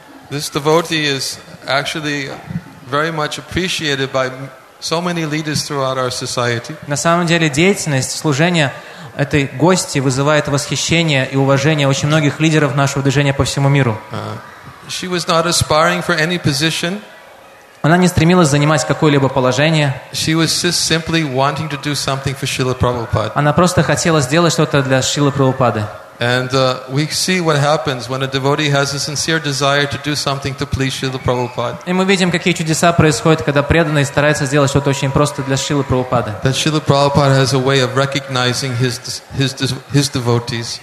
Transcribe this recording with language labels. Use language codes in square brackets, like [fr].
[en] This devotee is actually very much appreciated by so many leaders throughout our society. [ru] На самом деле, деятельность служения этой гости вызывает восхищение и уважение очень многих лидеров нашего движения по всему миру. [en] She was not aspiring for any position. [ru] Она не стремилась занимать какое-либо положение. [en] She was just simply wanting to do something for Srila Prabhupada. [ru] Она просто хотела сделать что-то для Шрилы Прабхупады. [en] And we see what happens when a devotee has a sincere desire to do something to please Srila Prabhupada. [ru] И мы видим, какие чудеса происходят, когда преданный старается сделать что-то очень просто для Шрилы Прабхупады. [en] That Srila Prabhupada has a way of recognizing his devotees.